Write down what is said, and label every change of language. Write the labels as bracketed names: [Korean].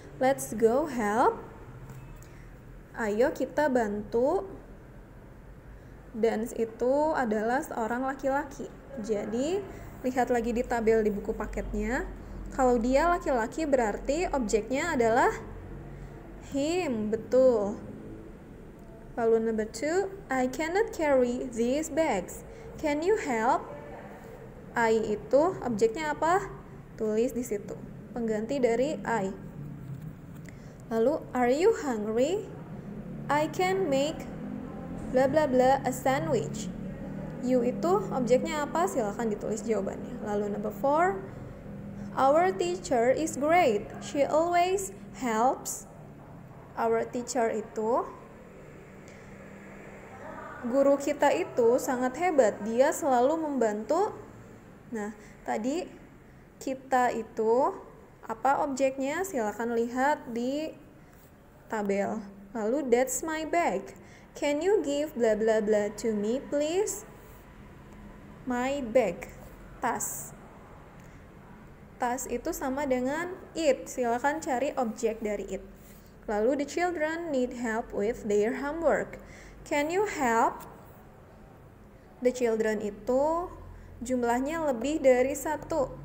[English] Let's go help. [Indonesian] Ayo kita bantu. Dance itu adalah seorang laki-laki. Jadi, lihat lagi di tabel di buku paketnya. Kalau dia laki-laki berarti objeknya adalah him, betul. [English] Lalu number two, I cannot carry these bags. Can you help? [Indonesian] I itu objeknya apa? Tulis di situ. Pengganti dari I. Lalu, [English] are you hungry? I can make bla bla bla a sandwich. [Indonesian] You itu objeknya apa? Silakan ditulis jawabannya. [English] Lalu number four, our teacher is great. She always helps. Our teacher [Indonesian] itu, guru kita itu sangat hebat. Dia selalu membantu. Nah, tadi kita itu apa objeknya? Silakan lihat di tabel. Lalu [English] that's my bag. Can you give bla bla bla to me, please? My bag, tas. [Indonesian] Tas itu sama dengan it. Silakan cari objek dari it. [English] Lalu the children need help with their homework. Can you help? [Indonesian] The children itu jumlahnya lebih dari satu.